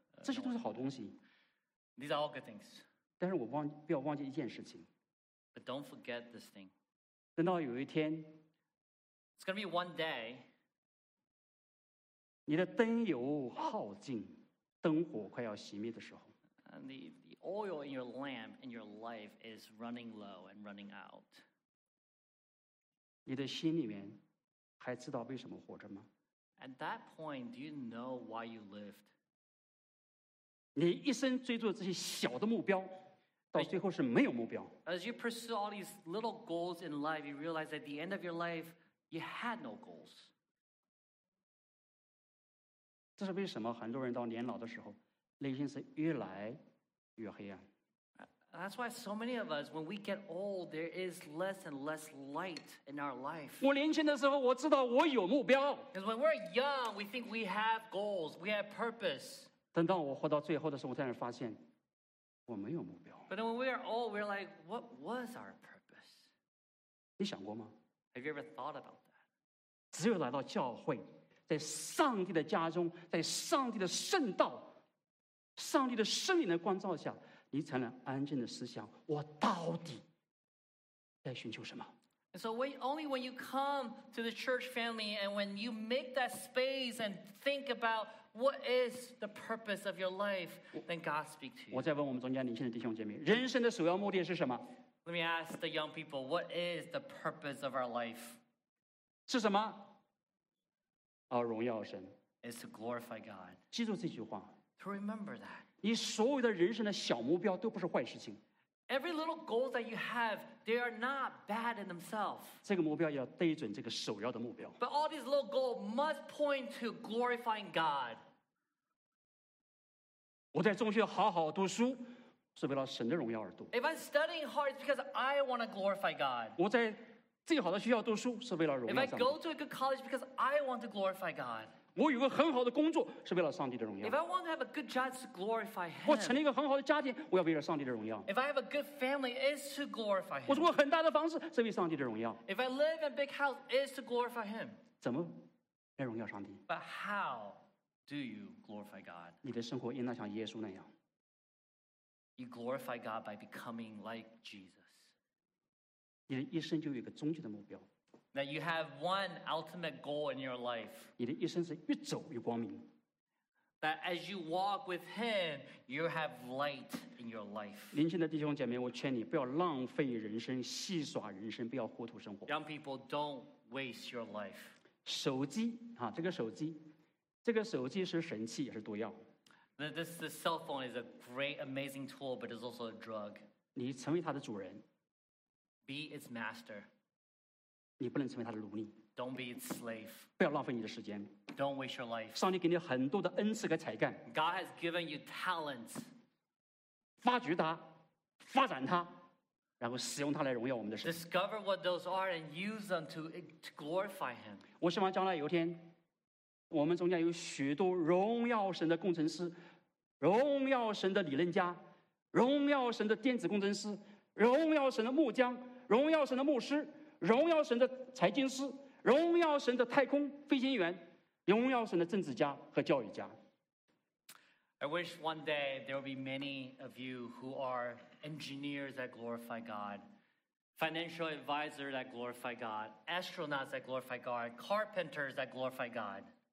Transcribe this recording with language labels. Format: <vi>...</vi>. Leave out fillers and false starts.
<zh>这些都是好东西。</zh> <en>These are all good things.</en> <zh>但是我忘不要忘记一件事情。</zh> <en>But don't forget this thing.</en> <zh>等到有一天。</zh> <en>It's gonna be one day.</en> <zh>你的灯油耗尽，灯火快要熄灭的时候。</zh> <en>And the oil in your lamp in your life is running low and running out.</en> <zh>你的心里面还知道为什么活着吗？</zh> <en>At that point, do you know why you lived?</en> <zh>你一生追逐这些小的目标，到最后是没有目标。</zh> <en>As you pursue all these little goals in life, you realize at the end of your life, you had no goals.</en> <zh>这是为什么很多人到年老的时候内心是越来越黑暗。</zh> <en>That's why so many of us, when we get old, there is less and less light in our life.</en> <zh>我年轻的时候，我知道我有目标。</zh> <en>Because when we're young, we think we have goals, we have purpose.</en> <zh>等到我活到最后的时候，我才发现我没有目标。</zh> <en>But then when we are old, we're like, what was our purpose?</en> <zh>你想过吗？</zh> <en>Have you ever thought about that?</en> <zh>只有来到教会，在上帝的家中，在上帝的圣道，上帝的圣灵的光照下，你才能安静的思想，我到底在寻求什么。</zh> <en>And so only when you come to the church family and when you make that space and think about what is the purpose of your life, then God speaks to you.</en> <zh>我在问我们中间年轻的弟兄姐妹，人生的首要目的是什么？</zh> <en>Let me ask the young people, what is the purpose of our life?</en> <zh>是什么？要荣耀神。</zh> <en>Is to glorify God.</en> <zh>记住这句话。</zh> <en>To remember that.</en> <zh>你所有的人生的小目标都不是坏事情。</zh> <en>Every little goal that you have, they are not bad in themselves.</en> <zh>这个目标要对准这个首要的目标。</zh> <en>But all these little goals must point to glorifying God.</en> <zh>我在中学好好读书，是为了神的荣耀而读。</zh> <en>If I'm studying hard, it's because I want to glorify God.</en> <zh>我在最好的学校读书，是为了荣耀上帝。</zh> <en>If I go to a good college, because I want to glorify God.</en> <zh>我有个很好的工作，是为了上帝的荣耀。</zh> <en>If I want to have a good job, it's to glorify Him.</en> <zh>我成立一个很好的家庭，我要为了上帝的荣耀。</zh> <en>If I have a good family, it's to glorify Him.</en> <zh>我住过很大的房子，是为上帝的荣耀。</zh> <en>If I live in a big house, it's to glorify Him.</en> <zh>怎么来荣耀上帝？</zh> <en>But how do you glorify God?</en> <zh>你的生活应当像耶稣那样。</zh> <en>You glorify God by becoming like Jesus.</en> <zh>你的一生就有一个终极的目标。</zh> <en>That you have one ultimate goal in your life.</en> <zh>你的一生是越走越光明。</zh> <en>That as you walk with Him, you have light in your life.</en> <zh>年轻的弟兄姐妹，我劝你不要浪费人生，戏耍人生，不要糊涂生活。</zh> <en>Young people, don't waste your life.</en> <zh>手机啊，这个手机是神器，也是毒药。</zh> <en>The cell phone is a great, amazing tool, but it's also a drug.</en> <zh>你成为它的主人。</zh> <en>Be its master.</en> <zh>你不能成为他的奴隶。</zh> <en>Don't be a slave.</en> <zh>不要浪费你的时间。</zh> <en>Don't waste your life.</en> <zh>上帝给你很多的恩赐和才干。</zh> <en>God has given you talents.</en> <zh>发掘它，发展它，然后使用它来荣耀我们的神。</zh> <en>Discover what those are and use them to glorify Him.</en> <zh>我希望将来有一天，我们中间有许多荣耀神的工程师，荣耀神的理论家，荣耀神的电子工程师，荣耀神的牧将，荣耀神的牧师。荣耀神的财经师，荣耀神的太空飞行员，荣耀神的政治家和教育家。</zh> <en>I wish one day there will be many of you who are engineers that glorify God, financial advisors that glorify God, astronauts that glorify God, carpenters that glorify God.</en>